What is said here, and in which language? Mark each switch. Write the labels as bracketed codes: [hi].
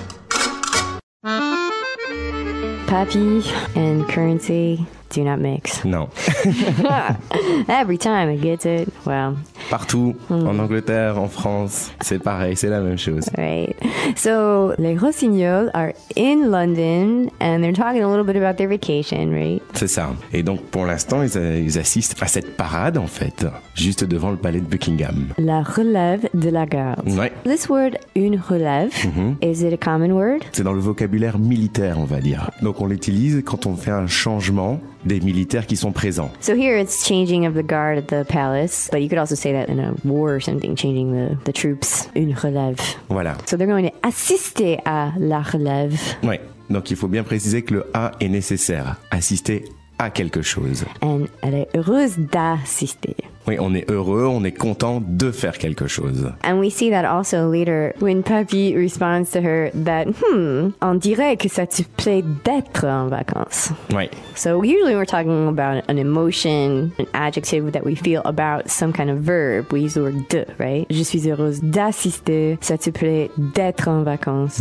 [en] Papy and currency do not mix. [fr] Non. [en] Every time I get it, well. [fr] Partout, en Angleterre, en France, c'est pareil, c'est la même chose. [en] Right. So, les Rossignols are in London and they're talking a little bit about their vacation, right? [fr] C'est ça. Et donc, pour l'instant, ils assistent à cette parade, en fait, juste devant le palais de Buckingham. La relève de la garde. Ouais. [en] This word, une relève, is it a common word? [fr] C'est dans le vocabulaire militaire, on va dire. Donc, on l'utilise quand on fait un changement des militaires qui sont présents. [en] So here it's changing of the guard at the palace, but you could also say that in a war or something, changing the troops, une relève. [fr] Voilà. [en] So they're going to [fr] assister à la relève. Oui, donc il faut bien préciser que le « à » est nécessaire, assister à quelque chose. And elle est heureuse d'assister. Oui, on est heureux, on est content de faire quelque chose. [en] And we see that also later when Papy responds to her that, [fr] on dirait que ça te plaît d'être en vacances. Oui. [en] So usually we're talking about an emotion, an adjective that we feel about some kind of verb. We use the word de, right? [fr] Je suis heureuse d'assister, ça te plaît d'être en vacances.